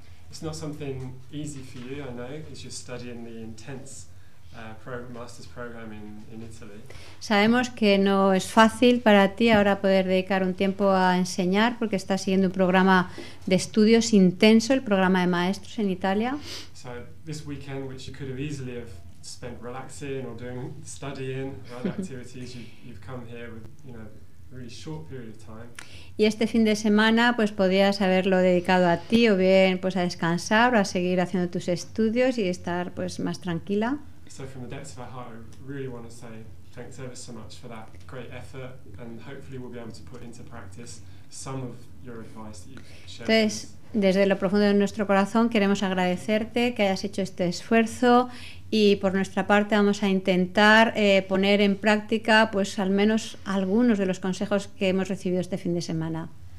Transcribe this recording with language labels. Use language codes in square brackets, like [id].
[en] It's not something easy for you, I know, because you're studying the intense master's program in Italy. [es] Sabemos que no es fácil para ti ahora poder dedicar un tiempo a enseñar porque estás siguiendo un programa de estudios intenso, el programa de maestros en Italia. [en] So this weekend, which you could have easily have spent relaxing or doing studying or other activities, you've come here with, you know, really short period of time. [es] Y este fin de semana, pues podías haberlo dedicado a ti o bien, pues a descansar o a seguir haciendo tus estudios y estar, pues, más tranquila. [en] So from the depths of our heart, I really want to say thanks ever so much for that great effort, and hopefully we'll be able to put into practice some of your advice that you've shared. [es] Entonces, desde lo profundo de nuestro corazón, queremos agradecerte que hayas hecho este esfuerzo, y por nuestra parte vamos a intentar poner en práctica, pues, al menos algunos de los consejos que hemos recibido este fin de semana.